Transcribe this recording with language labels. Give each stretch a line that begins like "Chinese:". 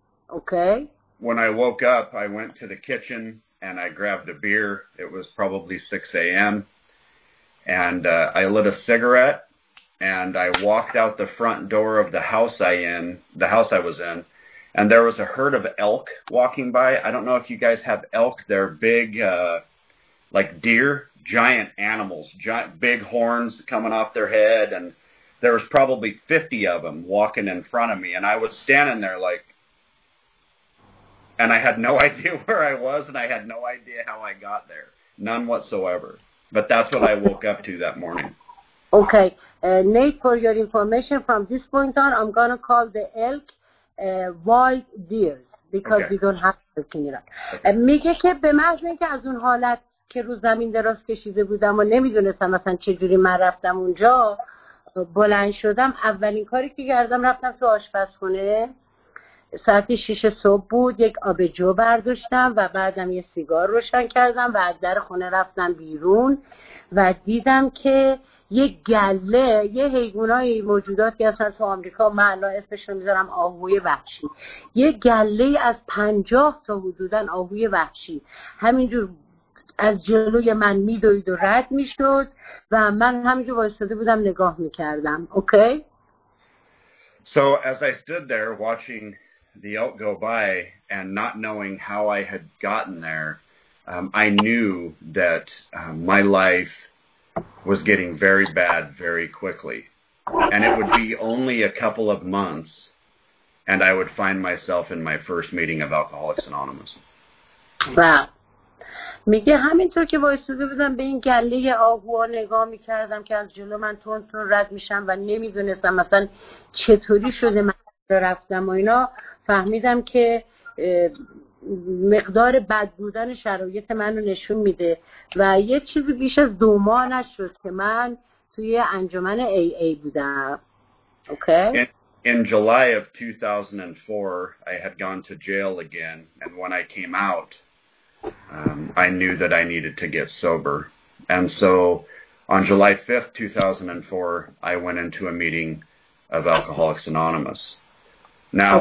Persian: اوکی؟
English: When I woke up, I went to the kitchen and I grabbed a beer. It was probably 6 a.m. And I lit a cigarette and I walked out the front door of the house I was in. And there was a herd of elk walking by. I don't know if you guys have elk. They're big, like deer, giant animals, giant, big horns coming off their head. And there was probably 50 of them walking in front of me. And I was standing there like, and I had no idea where I was and I had no idea how I got there. None whatsoever. But that's what I woke up to that morning. Okay. Nate, for your information, from this point on, I'm going to call the elk wild deer because okay. We don't have to clean it up.
Persian: میگه که به محض اینکه از اون حالت که رو زمین دراز کشیده بودم و نمیدونستم مثلا چجوری من رفتم اونجا، بلند شدم، اولین کاری که کردم رفتم تو آشپزخونه. ساعت 6 صبح بود، یک آبجو برداشتم و بعدم یه سیگار روشن کردم و از در خونه رفتم بیرون و دیدم که یک گله، یه حیوانای موجوداتی هستن تو آمریکا، من الان اسمش رو میذارم آهوی وحشی، یه گله از 50 تا حدوداً آهوی وحشی همینجور از جلوی من میدوید و رد میشد و من همینجور وایساده بودم نگاه میکردم. اوکی؟
English: So as I stood there watching the elk go by and not knowing how I had gotten there, I knew that my life was getting very bad very quickly. And it would be only a couple of months and I would find myself in my first meeting of Alcoholics Anonymous. Wow.
Persian: میگه همینطور که وایساده بودم به این گله آهوها نگاه میکردم که از جلو من تون تون رد میشم و نمیدونستم مثلا چطوری شده من رفتم و اینا، فهمیدم که مقدار بد بودن شرایط منو نشون میده و یه چیزی بیش از دو ماه نشد که من توی انجمن AA بودم. اوکی؟
English: In July of 2004, I had gone to jail again, and when I came out, I knew that I needed to get sober. And so on July 5th, 2004, I went into a meeting of Alcoholics Anonymous. Now,